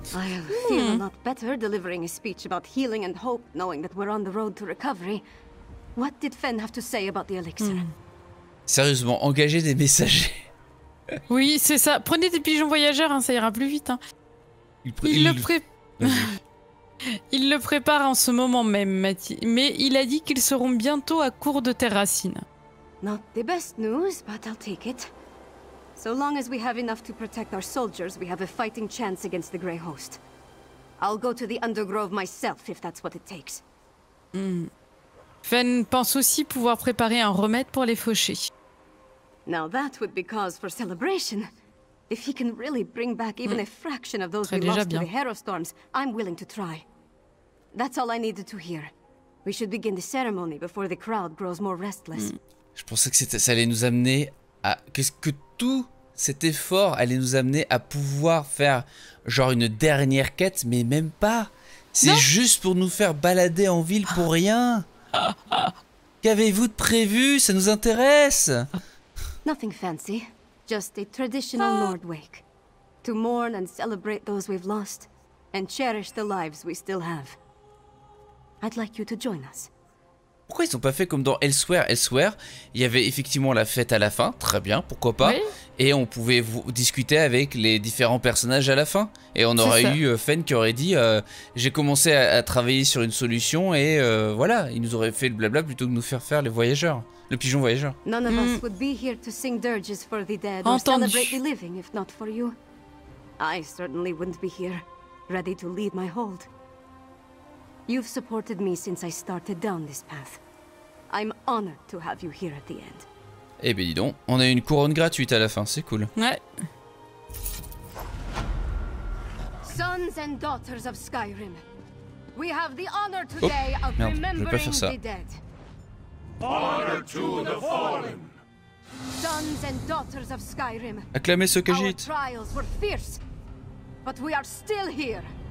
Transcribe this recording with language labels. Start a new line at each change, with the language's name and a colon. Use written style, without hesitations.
English: I'll feel a lot better delivering a speech about healing and hope, knowing that we're on the road to recovery. What did Fen have to say about the elixir?
French: Sérieusement, engagez des messagers. Oui, c'est ça. Prenez des pigeons voyageurs, hein, ça ira plus vite. Hein. Il le prépare en ce moment même, mais il a dit qu'ils seront bientôt à court de terres racines.
English: Not the best news, but I'll take it. So long as we have enough to protect our soldiers, we have a fighting chance against the Grey Host. I'll go to the Undergrove myself if that's what it takes.
French: Fenn pense aussi pouvoir préparer un remède pour les fauchés.
English: Now that would be cause for celebration. If he can really bring back even a fraction of those we lost to the Hero Storms, I'm willing to try. That's all I needed to hear. We should begin the ceremony before the crowd grows more restless.
French: Je pensais que ça allait nous amener à tout cet effort allait nous amener à pouvoir faire genre une dernière quête, mais même pas. C'est juste pour nous faire balader en ville pour rien. Qu'avez-vous de prévu? Ça nous intéresse.
English: Nothing fancy, just a traditional Nord wake to mourn and celebrate those we've lost and cherish the lives we still have. I'd like you to join us.
French: Pourquoi ils n'ont pas fait comme dans Elsewhere? Il y avait effectivement la fête à la fin, très bien, pourquoi pas. Et on pouvait discuter avec les différents personnages à la fin. Et on aurait eu Fenn qui aurait dit j'ai commencé à travailler sur une solution et voilà, ils nous auraient fait le blabla plutôt que nous faire faire les voyageurs, le pigeon voyageur.
English: None of us would be here to sing dirges for the dead or celebrate the living if not for you. I certainly wouldn't be here, ready to leave my hold. You've supported me since I started down this path. I'm honored to have you here at the end.
French: Eh ben dis donc, on a une couronne gratuite à la fin, c'est cool. Ouais.
English: Sons and daughters of Skyrim, we have the honor today of remembering the dead. Honor to the fallen. Sons and daughters of Skyrim.
French: Acclamez ce Khajiit.
English: Our trials were fierce, but we are still here.